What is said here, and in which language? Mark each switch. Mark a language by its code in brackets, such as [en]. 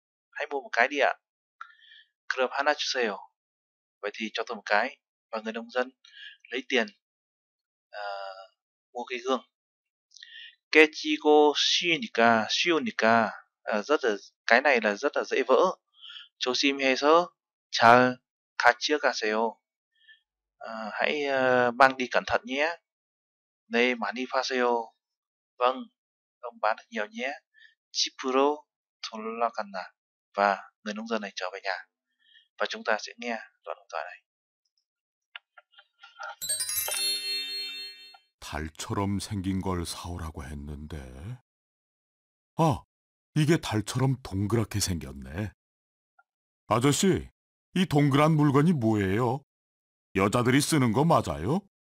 [vi] Hãy mua một cái đi ạ. [ko] 그럼 하나 주세요. [vi] Vậy thì cho tôi một cái. Và người nông dân lấy tiền mua cái gương. [ko] 깨지고 쉬우니까, 쉬우니까 [vi] rất là, cái này là rất là dễ vỡ. [ko] 조심해서 잘 가져가세요. [vi] Hãy mang đi cẩn thận nhé. [ko] 네, 많이 파세요. [vi] Vâng, ông bán được nhiều nhé. [ko] 집으로 돌아갔나. [vi] Và người nông dân này trở về nhà. Và chúng ta sẽ nghe đoạn đối thoại này. [ko] 달처럼 생긴 걸 사오라고 했는데. 아, 이게 달처럼 동그랗게 생겼네. 아저씨, 이 동그란 물건이 뭐예요? 여자들이 쓰는 거 맞아요?